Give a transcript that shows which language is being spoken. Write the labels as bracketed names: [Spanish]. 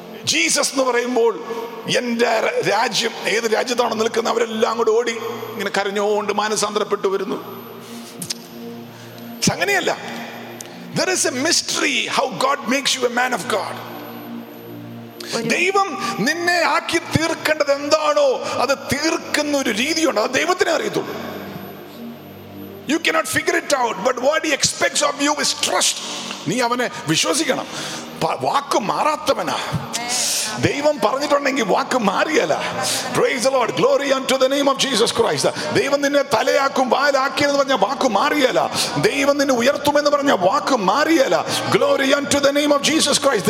[Malayalam] Jesus എന്ന് പറയുമ്പോൾ എൻ്റെ രാജ്യം, ഏത് രാജ്യത്താണോ നിൽക്കുന്നത് അവരെല്ലാം കൂടെ ഓടി ഇങ്ങനെ കരഞ്ഞുകൊണ്ട് മാനസാന്തരപ്പെട്ടു വരുന്നു. അങ്ങനെയല്ല, [English] there is a mystery how God makes you a man of God. [Malayalam] ദൈവം നിന്നെ ആക്കി തീർക്കേണ്ടത് എന്താണോ അത് തീർക്കുന്ന ഒരു രീതിയുണ്ട്. അത് ദൈവത്തിനെ അറിയത്തുള്ളൂ. [English] You cannot figure it out, but what he expects of you is trust. [Malayalam] നീ അവനെ വിശ്വസിക്കണം. വാക്ക് മാറാത്തവനാ, ദൈവം പറഞ്ഞിട്ടുണ്ടെങ്കിൽ വാക്ക് മാറിയല്ല. [English] Praise the Lord. Glory unto the name of Jesus Christ. [Malayalam] ദൈവം നിന്നെ തലയാക്കും വാലാക്കും എന്ന് പറഞ്ഞ വാക്ക് മാറിയല്ല. ദൈവം നിന്നെ ഉയർത്തും എന്ന് പറഞ്ഞ വാക്ക് മാറിയല്ല. [English] Glory unto the name of Jesus Christ.